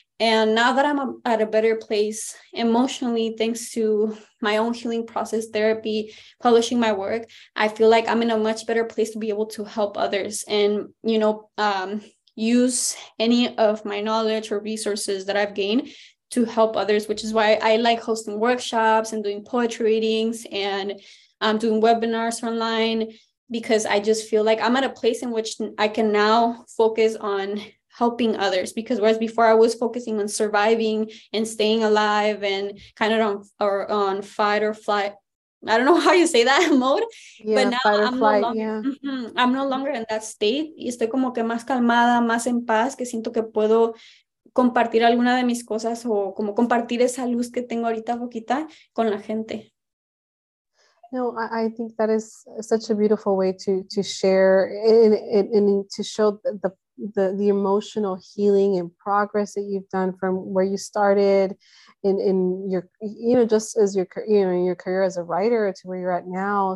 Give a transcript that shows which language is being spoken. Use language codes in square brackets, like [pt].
[en] And now that I'm at a better place emotionally, thanks to my own healing process, therapy, publishing my work, I feel like I'm in a much better place to be able to help others and, you know, use any of my knowledge or resources that I've gained to help others, which is why I like hosting workshops and doing poetry readings and doing webinars online, because I just feel like I'm at a place in which I can now focus on helping others. Because whereas before I was focusing on surviving and staying alive and kind of on fight or flight, I don't know how you say that mode, yeah, but now fight or I'm no longer in that state. [es] Y estoy como que más calmada, más en paz, que siento que puedo compartir alguna de mis cosas o como compartir esa luz que tengo ahorita poquita con la gente. [en] No, I think that is such a beautiful way to share and to show the emotional healing and progress that you've done from where you started in your, you know, just as your, you know, in your career as a writer to where you're at now.